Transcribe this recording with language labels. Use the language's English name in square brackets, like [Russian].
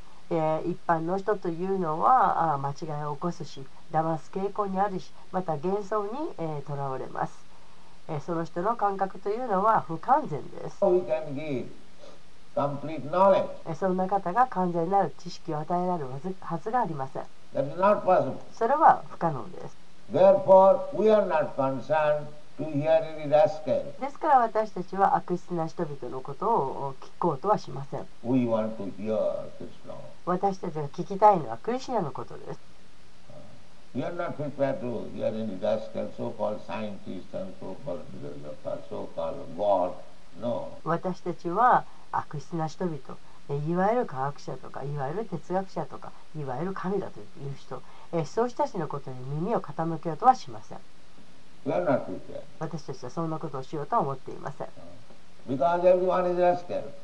[Japanese] 一般の人というのは間違いを起こすし、騙す傾向にあるし、また幻想に囚われます。その人の感覚というのは不完全です。 [English] We can give complete knowledge. [Japanese] そんな方が完全なる知識を与えられるはずがありません。 [English] That is not possible. [Japanese] それは不可能です。 [English] Therefore, we are not concerned to hear any rascal. [Japanese] ですから私たちは悪質な人々のことを聞こうとはしません。 [English] We want to hear Krishna. [Japanese] 私たちが聞きたいのはクリシナのことです。 [English] We are not prepared to hear any rascal, so-called scientists and so-called developers, so-called God. No. [Japanese] 私たちは悪質な人々、いわゆる科学者とか、いわゆる哲学者とか、いわゆる神だという人、そうした人のことに耳を傾けようとはしません。私たちはそんなことをしようとは思っていません。 [English] Because everyone is rascal.